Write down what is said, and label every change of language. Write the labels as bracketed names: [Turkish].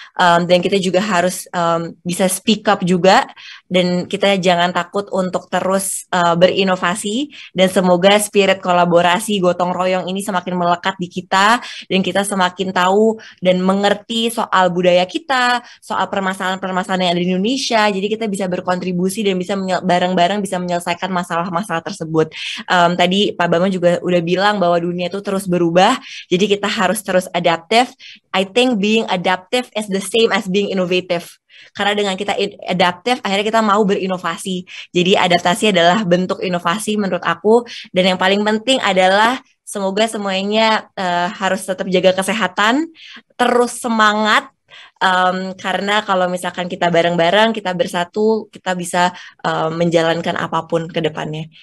[Indonesian] Dan kita juga harus bisa speak up juga, dan kita jangan takut untuk terus berinovasi, dan semoga spirit kolaborasi gotong royong ini semakin melekat di kita, dan kita semakin tahu dan mengerti soal budaya kita, soal permasalahan-permasalahan yang ada di Indonesia, jadi kita bisa berkontribusi dan bisa bareng-bareng bisa menyelesaikan masalah-masalah tersebut. Tadi Pak Bambang juga udah bilang bahwa dunia itu terus berubah, jadi kita harus terus adaptif. [English] I think being adaptive is the same as being innovative. [Indonesian] Karena dengan kita adaptive, akhirnya kita mau berinovasi. Jadi adaptasi adalah bentuk inovasi menurut aku. Dan yang paling penting adalah semoga semuanya harus tetap jaga kesehatan, terus semangat. Karena kalau misalkan kita bareng-bareng, kita bersatu, kita bisa menjalankan apapun ke depannya.